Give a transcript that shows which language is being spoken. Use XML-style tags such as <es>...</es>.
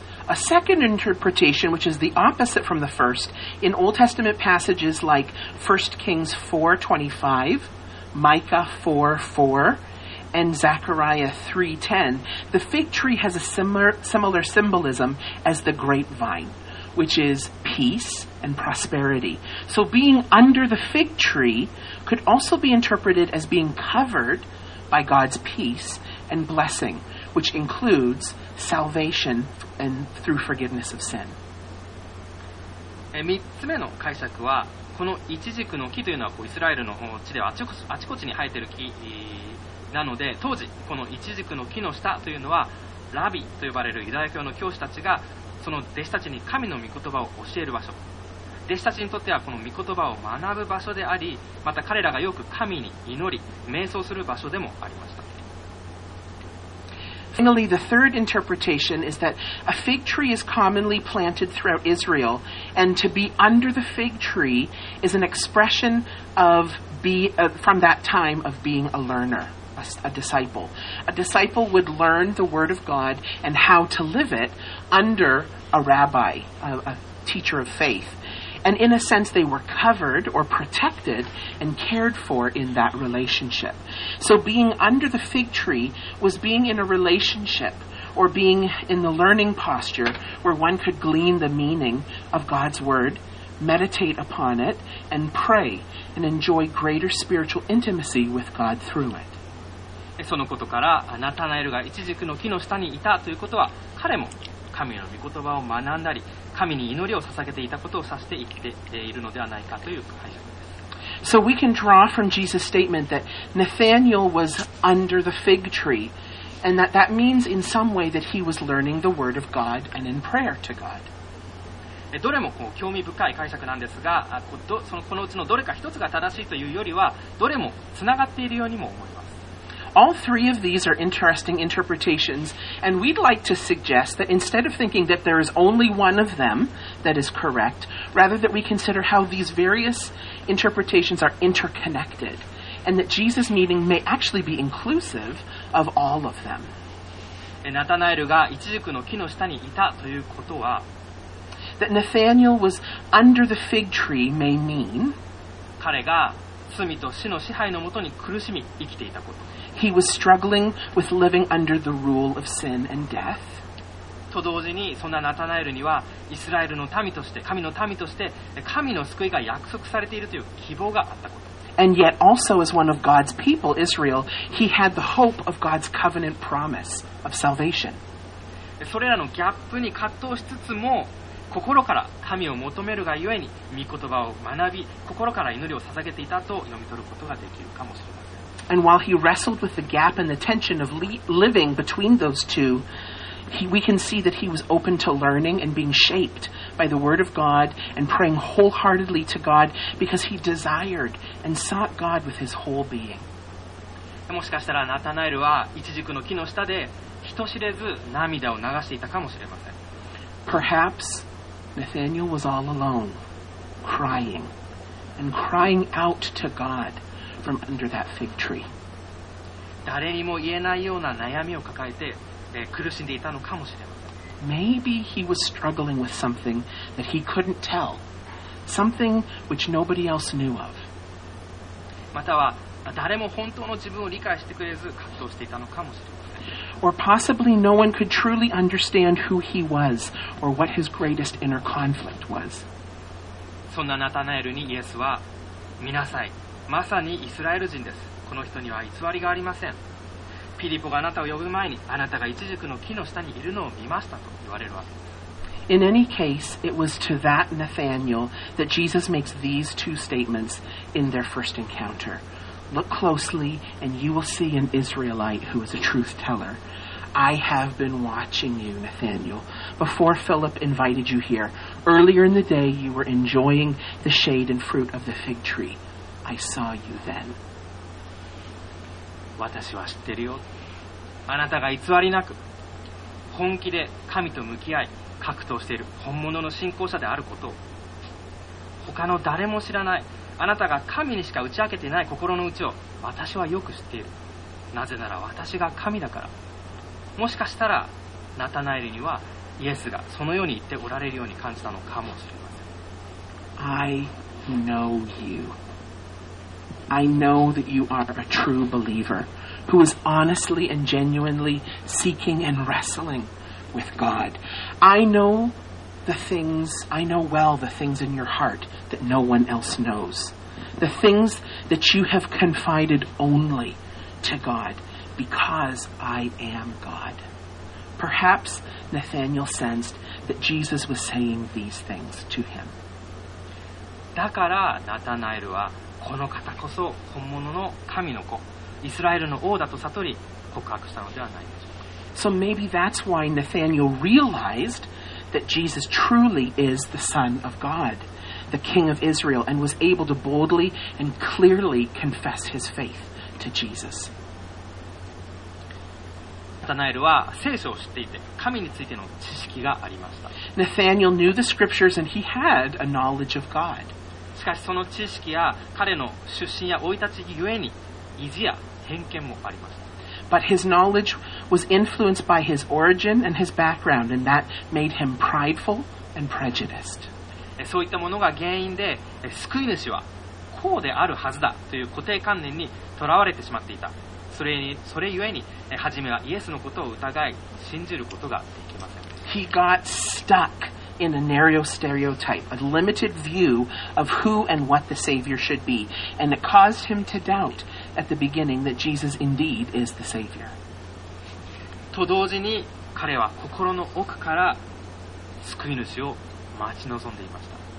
<en>A second interpretation, which is the opposite from the first, in Old Testament passages like 1 Kings 4:25, Micah 4:4, and Zechariah 3:10, the fig tree has a similar symbolism as the grapevine, which is peace and prosperity. So being under the fig tree could also be interpreted as being covered by God's peace and blessing, which includes salvation and through forgiveness of sin.</en> <ja>3つ目の解釈は、このイチジクの木というのはこうイスラエルの地ではあちこちに生えている木なので、当時このイチジクの木の下というのはラビと呼ばれるユダヤ教の教師たちがその弟子たちに神の御言葉を教える場所、弟子たちにとってはこの御言葉を学ぶ場所であり、また彼らがよく神に祈り瞑想する場所でもありました。</ja> <en>Finally, the third interpretation is that a fig tree is commonly planted throughout Israel, and to be under the fig tree is an expression of from that time of being a learner, a disciple. A disciple would learn the word of God and how to live it under a rabbi, a teacher of faith. And in a sense, they were covered or protected and cared for in that relationship. So being under the fig tree was being in a relationship or being in the learning posture where one could glean the meaning of God's word, meditate upon it, and pray and enjoy greater spiritual intimacy with God through it.</en> <ja>そのことから、ナタナエルがイチジクの木の下にいたということは、彼も神の御言葉を学んだり、神に祈りを捧げていたことを指して生きているのではないかという解釈です。</ja> <en>So we can draw from Jesus' statement that Nathanael was under the fig tree, and that means in some way that he was learning the word of God and in prayer to God.</en> <ja>どれもこう興味深い解釈なんですが、このうちのどれか一つが正しいというよりは、どれもつながっているようにも思います。</ja> <en>All three of these are interesting interpretations, and we'd like to suggest that instead of thinking that there is only one of them that is correct, rather that we consider how these various interpretations are interconnected, and that Jesus' meaning may actually be inclusive of all of them.</en> <ja>Nathanael がイチジクの木の下にいたということは、</ja> <en>that Nathanael was under the fig tree may mean</en> <ja>彼が罪と死の支配のもとに苦しみ生きていたこと、</ja> <en>He was struggling with living under the rule of sin and death.</en> <ja>と同時に、そんなナタナエルには、イスラエルの民として、神の民として、神の救いが約束されているという希望があったこと。</ja> <en>And yet also as one of God's people, Israel, he had the hope of God's covenant promise of salvation.</en> <ja>それらのギャップに葛藤しつつも、心から神を求めるがゆえに、御言葉を学び、心から祈りを捧げていたと読み取ることができるかもしれない。</ja> <en>And while he wrestled with the gap and the tension of living between those two, we can see that he was open to learning and being shaped by the word of God and praying wholeheartedly to God because he desired and sought God with his whole being.</en> <ja>もしかしたらナタナエルはイチジクの木の下で人知れず涙を流していたかもしれません。</ja> <en>Perhaps Nathanael was all alone, crying, and crying out to God. From under that fig tree.</en> <ja>誰にも言えないような悩みを抱えて、苦しんでいたのかもしれません。</ja> <en>Maybe he was struggling with something that he couldn't tell, something which nobody else knew of.</en> <ja>または誰も本当の自分を理解してくれず葛藤していたのかもしれません。</ja> <en>Or possibly no one could truly understand who he was or what his greatest inner conflict was.</en> <ja>そんなナタナエルにイエスは、見なさい。まさにイスラエル人です。この人には偽りがありません。ピリポがあなたを呼ぶ前に、あなたがイチジクの木の下にいるのを見ましたと言われるわけです。</ja> <en>In any case, it was to that Nathanael that Jesus makes these two statements in their first encounter. Look closely, and you will see an Israelite who is a truth teller. I have been watching you, Nathanael. Before Philip invited you here, earlier in the day you were enjoying the shade and fruit of the fig tree. I saw you then.</en> <ja>私は知ってるよ。あなたが偽りなく、本気で神と向き合い格闘している本物の信仰者であることを、他の誰も知らないあなたが神にしか打ち明けていない心の内を私はよく知っている。なぜなら私が神だから。もしかしたらナタナエルにはイエスがそのように言っておられるように感じたのかもしれません。</ja> <en>I know you. I know that you are a true believer who is honestly and genuinely seeking and wrestling with God. I know the things, I know well the things in your heart that no one else knows. The things that you have confided only to God, because I am God. Perhaps Nathanael sensed that Jesus was saying these things to him.</en> <ja>だからナタナエルはこの方こそ本物の神の子、イスラエルの王だと悟り告白したのではないでしょうか。</ja> <en>So maybe that's why Nathanael realized that Jesus truly is the Son of God, the King of Israel, and was able to boldly and clearly confess his faith to Jesus.</en> <ja>ナタナエルは聖書を知っていて神についての知識がありました。</ja> <en>Nathanael knew the scriptures and he had a knowledge of God.</en> <ja>しかしその知識や彼の出身や生い立ちゆえに意地や偏見もありました。</ja> <en>But his knowledge was influenced by his origin and his background, and that made him prideful and prejudiced.</en> <ja>そういったものが原因で救い主はこうであるはずだという固定観念にとらわれてしまっていた。それゆえに初めはイエスのことを疑い信じることができません。</ja> <en>He got stuck in a narrow stereotype, a limited view of who and what the Savior should be, and it caused him to doubt at the beginning that Jesus indeed is the Savior.</en> <ja>と同時に彼は心の奥から救い主を待ち望んでいました。</ja>